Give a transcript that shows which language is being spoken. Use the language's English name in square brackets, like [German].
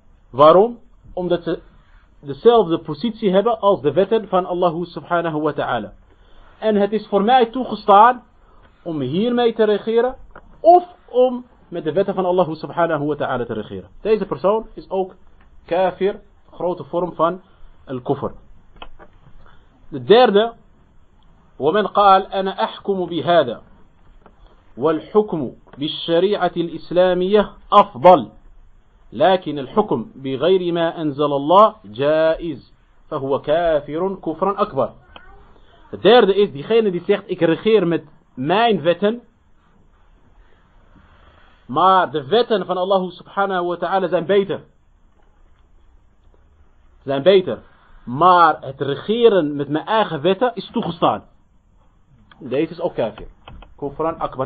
[Dutch] Waarom? Omdat ze dezelfde positie hebben als de wetten van Allah subhanahu wa ta'ala. En het is voor mij toegestaan om hiermee te regeren of om met de wetten van Allah subhanahu wa ta'ala te regeren. Deze persoon is ook kafir, grote vorm van al-kufr. De derde: [Arabic] ومن قال انا احكم بهذا والحكم بالشريعه الاسلاميه افضل لكن الحكم بغير ما انزل الله جائز فهو كافر كفرا اكبر. [Dutch] De derde is diegene die zegt: Ik regeer met mijn wetten, maar de wetten van Allah subhanahu wa ta'ala zijn beter. Zijn beter. Maar het regeren met mijn eigen wetten is toegestaan. Deze is ook kafir. [Arabic] Kufran akbar.